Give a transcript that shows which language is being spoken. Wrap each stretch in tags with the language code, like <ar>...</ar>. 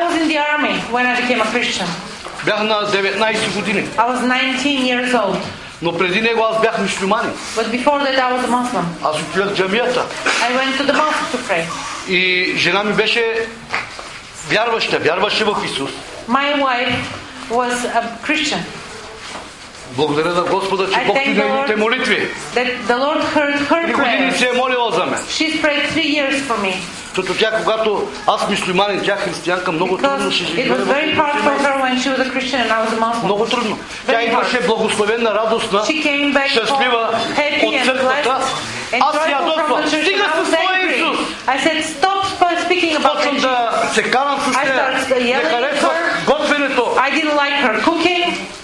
<en>I was in the army when I became a Christian.</en> <bg>Бях на 19 години.</bg> <en>I was 19 years old.</en> <bg>Но преди него аз бях мюсюлманин.</bg> <en>But before that I was a Muslim.</en> <bg>Аз отидох в джамията.</bg> <en>I went to the mosque to pray.</en> <bg>И жена ми беше вярваща, вярваше в Исус.</bg> <en>My wife was a Christian.</en> <bg>Благодаря на Господа, че Бог чува моите молитви.</bg> <en>That the Lord heard her prayers.</en> <bg>Три години се е молила за мен.</bg> <en>She's prayed 3 years for me.</en> <bg>Защото тя, когато аз мюсюлманин, тя християнка, много трудно ще живее.</bg> <en>It was very hard for her when she was a Christian and I was a Muslim.</en> <bg>Много трудно. Тя идваше благословена, радостна, щастлива от църквата. Аз я дотвам. Стига с твоя Исус.</bg> <en>I said, stop speaking about</en> <bg>Jesus. Почвам да се карам с нея. Не харесвам готвенето.</bg> <en>I didn't like her cooking.</en>